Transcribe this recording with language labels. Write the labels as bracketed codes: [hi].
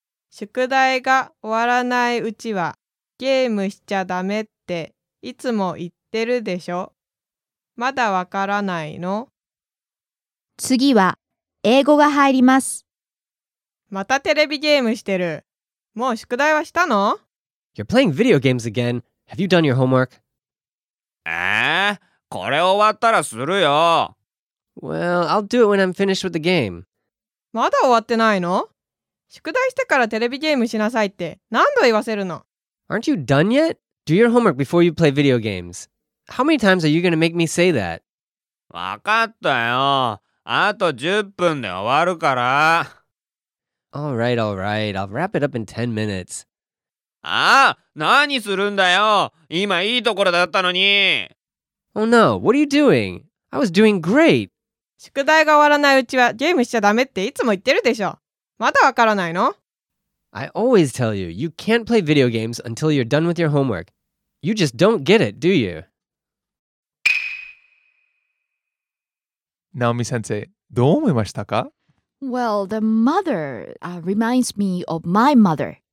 [ja] 宿題が終わらないうちはゲームしちゃダメっていつも言ってるでしょ。まだわからないの？次は英語が入ります。またテレビゲームしてる。もう宿題はしたの？ [en] You're playing video games again. Have you done your homework? [ja] これ終わったらするよ。 [en] Well, I'll do it when I'm finished with the game. [ja] まだ終わってないの？宿題してからテレビゲームしなさいって何度言わせるの？ [en] Aren't you done yet? Do your homework before you play video games. How many times are you going to make me say that? [ja] わかったよ。あと10分で終わるから。 [en] All right. I'll wrap it up in 10 minutes. [ja] 何するんだよ。今いいところだったのに。 [en] Oh no, what are you doing? I was doing great. [ja] 宿題が終わらないうちはゲームしちゃダメっていつも言ってるでしょ。まだわからないの？ [en] I always tell you, you can't play video games until you're done with your homework. You just don't get it, do you? [ja] Naomi sensei, どう思いましたか？ [en] Well, the mother, reminds me of my mother.